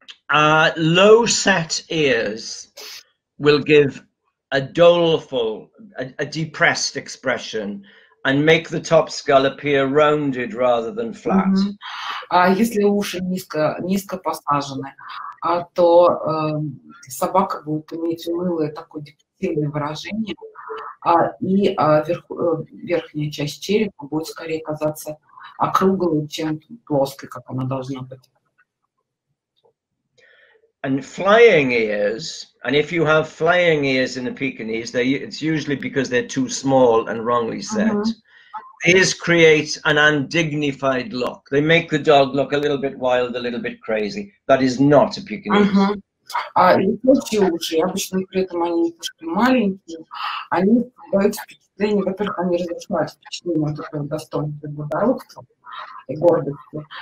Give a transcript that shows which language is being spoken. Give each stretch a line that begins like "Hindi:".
English: Low set ears will give a doleful, a depressed expression, and make the top skull appear rounded rather than flat.
Russian: Если уши низко посажены, то собака будет иметь унылое такое депрессивное выражение, верхняя часть черепа будет скорее казаться округлой, чем плоской, как она должна быть.
English: And flying ears, and if you have flying ears in the Pekinese, it's usually because they're too small and wrongly set. Uh-huh. Ears create an undignified look. They make the dog look a little bit wild, a little bit crazy. That is not a Pekinese.
Russian: Уши, обычно при этом они немножко маленькие, они создают впечатление, во-первых, они разрушают впечатление от этого достоинства благородства и гордости.